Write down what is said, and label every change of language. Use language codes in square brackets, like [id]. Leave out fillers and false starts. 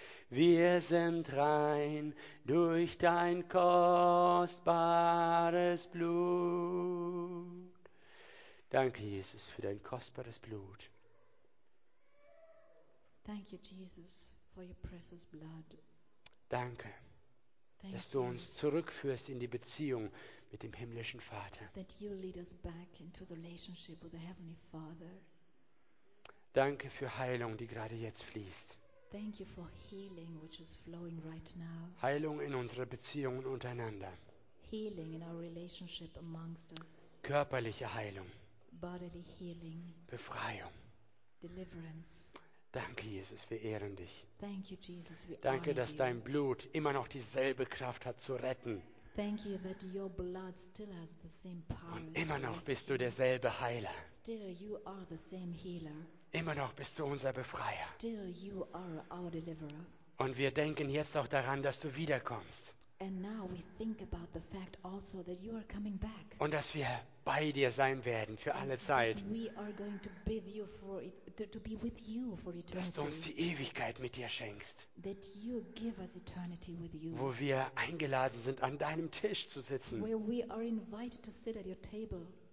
[de] Wir sind rein durch dein kostbares Blut. Danke, Jesus, für dein kostbares Blut. [en] Thank you, Jesus, for your precious blood. [de] Danke, [en] Thank [de] dass [en] you. [de] Du uns zurückführst in die Beziehung mit dem himmlischen Vater. [en] That you lead us back into the relationship with the Heavenly Father. [de] Danke für Heilung, die gerade jetzt fließt. [en] Thank you for healing which is flowing right now. [de] Heilung in unsere Beziehungen untereinander. [en] Healing in our relationship amongst us. [de] Körperliche Heilung. [en] Bodily healing. [de] Befreiung. [en] Deliverance. [de] Danke, Jesus, wir ehren dich. [en] Thank you, Jesus, we [de] Danke, dass [en] you. [de] Dein Blut immer noch dieselbe Kraft hat zu retten. [en] Thank you that your blood still has the same power. [de] Und immer noch bist du derselbe Heiler. [en] Still you are the same healer. [de] Immer noch bist du unser Befreier. [en] Still you are our deliverer. [de] Und wir denken jetzt auch daran, dass du wiederkommst. [en] And now we think about the fact also that you are coming back. [de] Und dass wir bei dir sein werden für alle Zeit. [en] We are going to be with you for to be with you for eternity. [de] Dass du uns die Ewigkeit mit dir schenkst. [en] That you give us eternity with you. [de] Wo wir eingeladen sind an deinem Tisch zu sitzen. [en] Where we are invited to sit at your table.